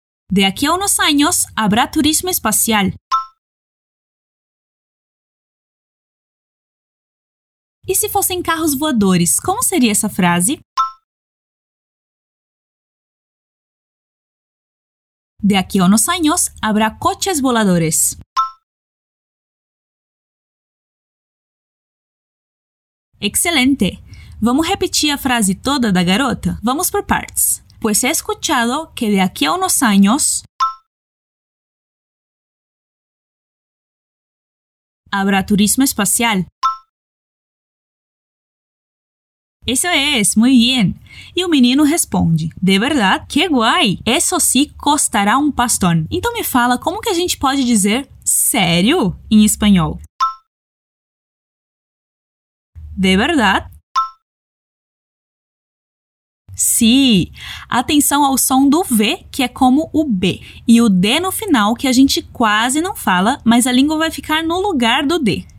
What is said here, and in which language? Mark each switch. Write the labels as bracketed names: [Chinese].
[Spanish] De aquí a unos años, habrá turismo espacial. [Portuguese] E se fossem carros voadores, como seria essa frase? [Spanish] De aquí a unos años, habrá coches voladores. [Portuguese] Excelente! Vamos repetir a frase toda da garota? Vamos por partes. [Spanish] Pues he escuchado que de aquí a unos años... Habrá turismo espacial. Eso es, muy bien. [Portuguese] E o menino responde, [Spanish] de verdad, que guay, eso sí costará un pastón. [Portuguese] Então me fala como que a gente pode dizer sério em espanhol. [Spanish] De verdad? [Portuguese] Sí. Atenção ao som do V, que é como o B. E o D no final, que a gente quase não fala, mas a língua vai ficar no lugar do D.